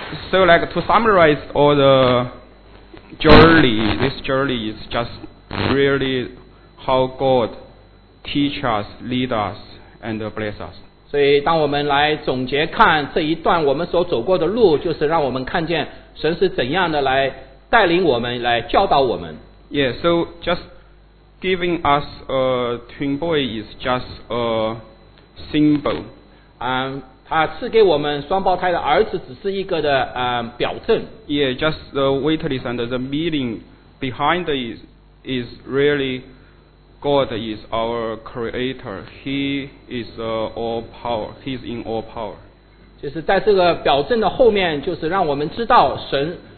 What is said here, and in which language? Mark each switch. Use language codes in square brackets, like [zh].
[en] So, like to summarize all the journey, this journey is just really how God teach us, lead us, and bless us. [zh] 所以，当我们来总结看这一段我们所走过的路，就是让我们看见神是怎样的来。带领我们来教导我们。 [en] Yeah, so just giving us a twin boy is just a symbol. [zh] 他赐给我们双胞胎的儿子只是一个的 表证。 [en] Yeah, just the waitlist and the meaning behind is really God is our creator. He is all power. He is in all power. [zh] 就是在这个表证的后面，就是让我们知道神。